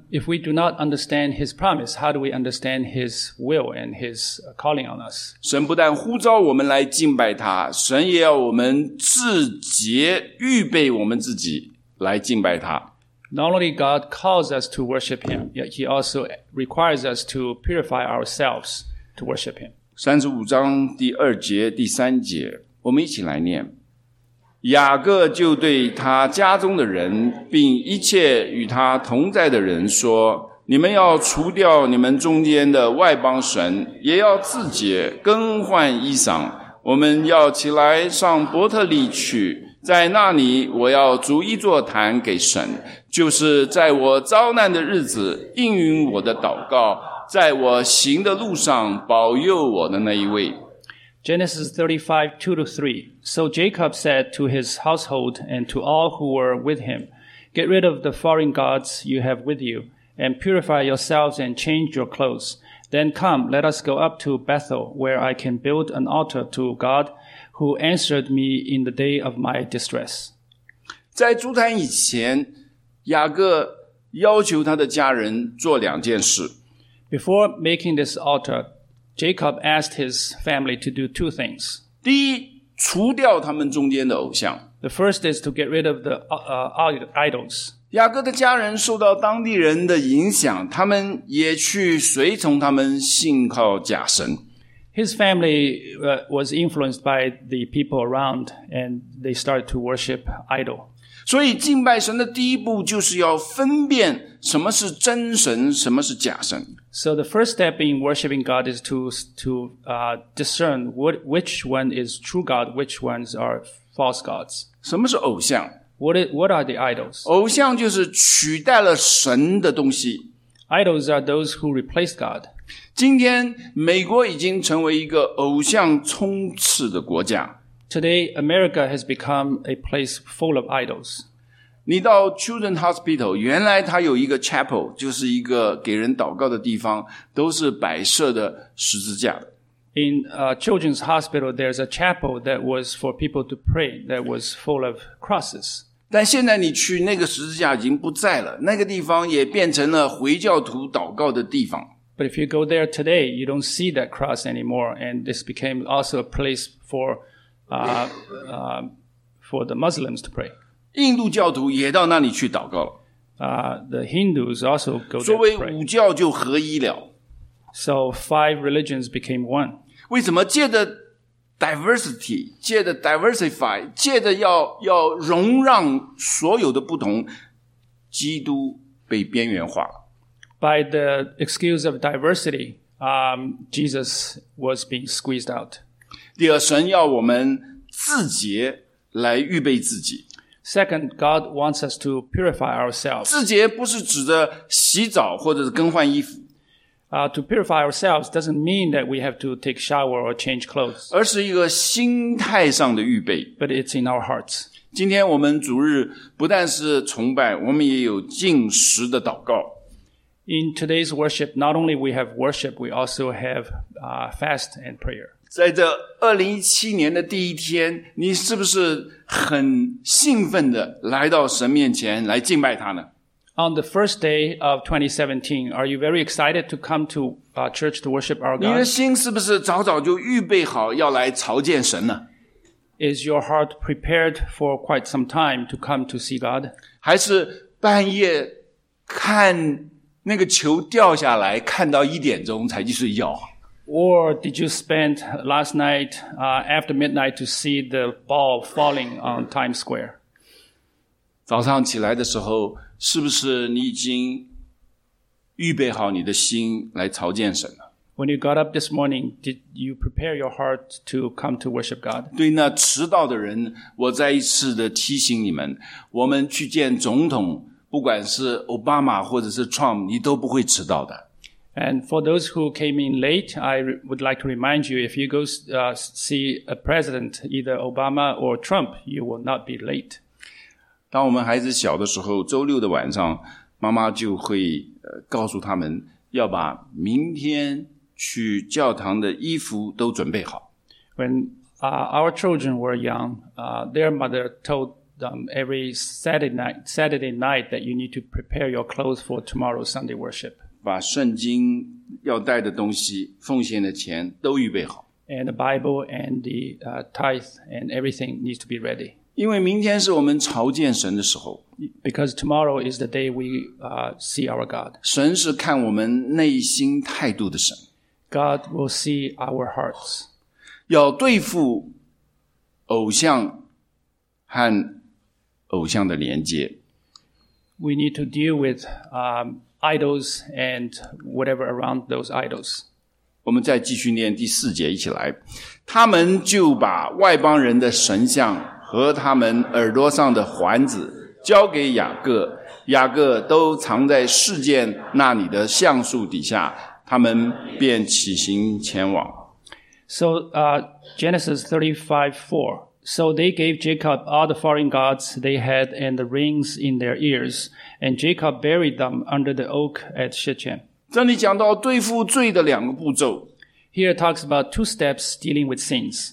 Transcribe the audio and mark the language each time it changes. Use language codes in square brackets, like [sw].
[en] If we do not understand His promise, how do we understand His will and His calling on us? [zh] 神不但呼召我们来敬拜他，神也要我们自洁，预备我们自己来敬拜他。 [en] Not only God calls us to worship Him, yet He also requires us to purify ourselves to worship Him. [zh] 35章第二节第三节，我们一起来念。雅各就对他家中的人并一切与他同在的人说，你们要除掉你们中间的外邦神，也要自洁，更换衣裳，我们要起来上伯特利去，在那里我要筑一座坛给神，就是在我遭难的日子应允我的祷告，在我行的路上保佑我的那一位。 [en] Genesis 35:2-3. So Jacob said to his household and to all who were with him, get rid of the foreign gods you have with you, and purify yourselves and change your clothes. Then come, let us go up to Bethel, where I can build an altar to God who answered me in the day of my distress. [zh] 在筑坛以前，雅各要求他的家人做两件事。 [en] Before making this altar, Jacob asked his family to do two things. [zh] 第一，除掉他们中间的偶像。 [en] The first is to get rid of the idols. [zh] 雅各的家人受到当地人的影响，他们也去随从他们信靠假神。 [en] His family was influenced by the people around, and they started to worship idol. [zh] 所以敬拜神的第一步就是要分辨什么是真神，什么是假神。 [en] So the first step in worshiping God is to discern which one is true God, which ones are false gods. [zh] 什么是偶像？ [en] What are the idols? [zh] 偶像就是取代了神的东西。 [en] Idols are those who replace God. [zh] 今天美国已经成为一个偶像充斥的国家。 [en] Today, America has become a place full of idols. [zh] 你到 Children's Hospital, 原来它有一个 chapel, 就是一个给人祷告的地方，都是摆设的十字架。 [en] In Children's Hospital, there's a chapel that was for people to pray, that was full of crosses. [zh] 但现在你去那个十字架已经不在了，那个地方也变成了回教徒祷告的地方。 [en] But if you go there today, you don't see that cross anymore, and this became also a place for the Muslims to pray. [zh] 印度教徒也到那里去祷告了。 [en] The Hindus also go there to pray. [zh] 作为五教就合一了。 [en] So five religions became one. [zh] 为什么借着 diversity, 借着 diversify, 借着要容让所有的不同，基督被边缘化了。 [en] By the excuse of diversity, Jesus was being squeezed out. [zh] 第二，神要我们自洁来预备自己。 [en] Second, God wants us to purify ourselves. [zh] 自洁不是指着洗澡或者是更换衣服。 [en] To purify ourselves doesn't mean that we have to take shower or change clothes. [zh] 而是一个心态上的预备。 [en] But it's in our hearts. [zh] 今天我们主日不但是崇拜，我们也有禁食的祷告。 [en] In today's worship, not only we have worship, we also have fast and prayer. [zh] 在这2017年的第一天，你是不是很兴奋的来到神面前来敬拜他呢？ [en] On the first day of 2017, are you very excited to come to church to worship our God? [zh] 你的心是不是早早就预备好要来朝见神呢？ [en] Is your heart prepared for quite some time to come to see God? [zh] 还是半夜看那个球掉下来，看到一点钟才去睡觉。 [en] Or did you spend last night, after midnight to see the ball falling on Times Square? [zh] 早上起来的时候，是不是你已经预备好你的心来朝见神了？ [en] When you got up this morning, did you prepare your heart to come to worship God? [zh] 对那迟到的人，我再一次的提醒你们，我们去见总统，不管是 Obama 或者是 Trump， 你都不会迟到的。 [en] And for those who came in late, I would like to remind you, if you go see a president, either Obama or Trump, you will not be late. [zh] 当我们孩子小的时候，周六的晚上，妈妈就会告诉他们要把明天去教堂的衣服都准备好。 [en] When our children were young, their mother told them every Saturday night that you need to prepare your clothes for tomorrow Sunday worship. [zh] 把圣经要带的东西奉献的钱都预备好。 [en] And the Bible and the tithe and everything needs to be ready. [zh] 因为明天是我们朝见神的时候。 [en] Because tomorrow is the day we see our God. [zh] 神是看我们内心态度的神。 [en] God will see our hearts. [zh] 要对付偶像和偶像的连接。 [en] We need to deal with idols and whatever around those idols. [zh] 我们再继续念第四节一起来。他们就把外邦人的神像和他们耳朵上的环子交给雅各，雅各都藏在示剑那里的橡树底下，他们便起行前往。 [en] So, Genesis 35:4. So they gave Jacob all the foreign gods they had and the rings in their ears, and Jacob buried them under the oak at Shechem. [zh] 这里讲到对付罪的两个步骤。 Here it talks about two steps dealing with sins.